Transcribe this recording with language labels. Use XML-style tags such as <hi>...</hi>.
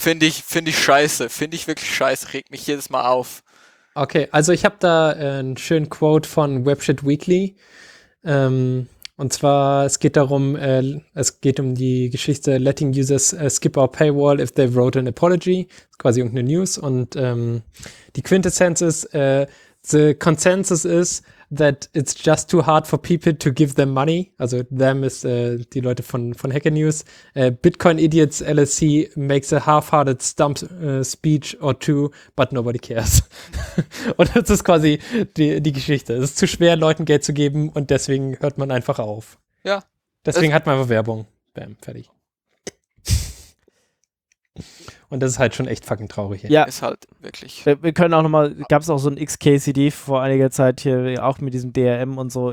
<de>Finde ich scheiße, finde ich wirklich scheiße, regt mich jedes Mal auf. Okay, also ich habe da einen schönen Quote von Webshit Weekly. Und zwar, es geht darum, es geht um die Geschichte Letting Users Skip Our Paywall If They Wrote an Apology. Das ist quasi irgendeine News. Und die Quintessenz ist,</de> <en>the consensus is that it's just too hard for people to give them money.</en> <de>Also them ist die Leute von Hacker News.</de> <en>Bitcoin Idiots LLC makes a half-hearted stump speech or two, but nobody cares.</en> <de>Und das ist quasi die Geschichte. Es ist zu schwer, Leuten Geld zu geben und deswegen hört man einfach auf. Ja. Deswegen hat man einfach Werbung. Bam, fertig. Und das ist halt schon echt fucking traurig. Ja, ist halt wirklich. Wir können auch nochmal, gab es auch so ein XKCD vor einiger Zeit hier, auch mit diesem DRM und so.</de>